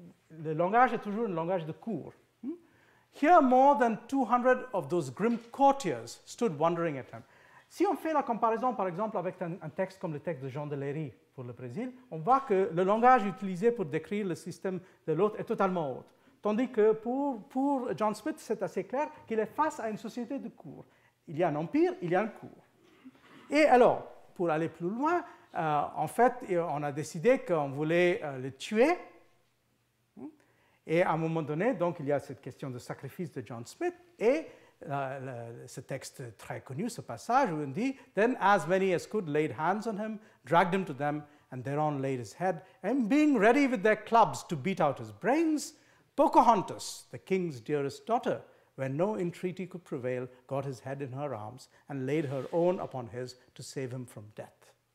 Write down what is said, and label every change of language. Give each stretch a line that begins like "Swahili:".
French: le langage est toujours un langage de cour.
English: Here more than 200 of those grim courtiers stood wondering at him.
French: Si on fait la comparaison, par exemple, avec un texte comme le texte de Jean de Léry pour le Brésil, on voit que le langage utilisé pour décrire le système de l'autre est totalement autre. Tandis que pour John Smith, c'est assez clair qu'il est face à une société de cour. Il y a un empire, il y a un cour. Et alors, pour aller plus loin, en fait, on a décidé qu'on voulait le tuer. Et à un moment donné, donc, il y a cette question de sacrifice de John Smith et ce texte très connu, ce passage où on dit
English: « Then as many as could laid hands on him, dragged him to them, and thereon laid his head, and being ready with their clubs to beat out his brains, Pocahontas, the king's dearest daughter, when no entreaty could prevail, got his head in her arms and laid her own upon his to save him from death.